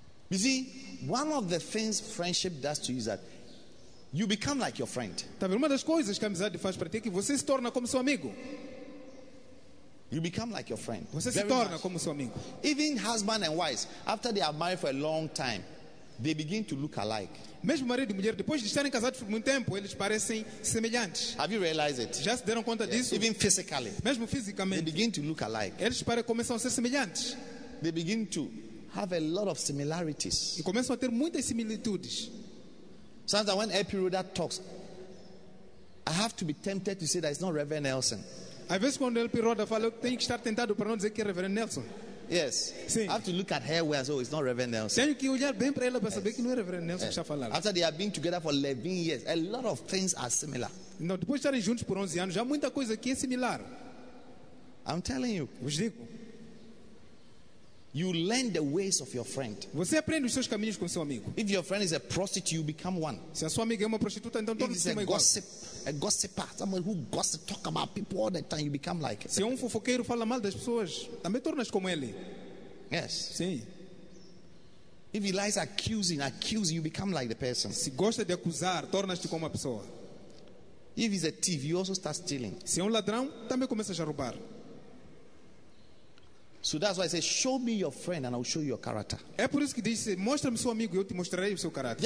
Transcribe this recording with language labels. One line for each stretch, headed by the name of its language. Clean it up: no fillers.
English: You see, one of the things friendship does to you is that you become like your friend.
Portuguese: Tá vendo? Uma das coisas que a amizade faz para ti é que você se torna como seu amigo.
English: You become like your friend.
Portuguese: Você se torna como seu amigo.
English: Even husband and wives, after they are married for a long time, they begin to look alike.
Portuguese: Mesmo marido e mulher, depois de estarem casados por muito tempo, eles parecem semelhantes.
English: Have you realized it?
Portuguese: Já se deram conta disso?
English: Even physically.
Portuguese: Mesmo fisicamente.
English: They begin to look alike.
Portuguese: Eles começam a ser semelhantes.
English: They begin to have a lot of similarities.
Portuguese: E começam a ter muitas similitudes.
English: Sometimes when Epiroda talks, I have to be tempted to say that it's not Reverend Nelson.
Portuguese: Às vezes quando Epiroda fala, eu tenho que estar tentado para não dizer que é Reverend Nelson.
English: Yes.
Portuguese: Sim.
English: I have to look at her where I say, oh, it's not Reverend Nelson.
Portuguese: Tenho que olhar bem para ela para saber que não é Reverend Nelson que está falando.
English: After they have been together for 11 years, a lot of things are similar.
Portuguese: Não, depois de estarem juntos por 11 anos, já muita coisa aqui é similar.
English: I'm telling you.
Portuguese: Vos digo.
English: You learn the ways of your friend.
Portuguese: Você aprende os seus caminhos com seu amigo.
English: If your friend is a prostitute, you become one.
Portuguese: Se a sua amiga é uma prostituta, então torna-se igual.
English: If he's a gossip, a gossiper, someone who gossip, talk about people all the time, you become like.
Portuguese: Se um fofoqueiro fala mal das pessoas, também tornas como ele.
English: Yes.
Portuguese: Sim.
English: If he lies accusing, you become like the person.
Portuguese: Se gosta de acusar, tornas-te como a pessoa.
English: If he's a thief, you also start stealing.
Portuguese: Se é ladrão, também começas a roubar.
English: So that's why I say, show me your friend and I'll show you your character.
Portuguese: É por isso que diz, mostra-me seu amigo e eu te mostrarei o seu caráter.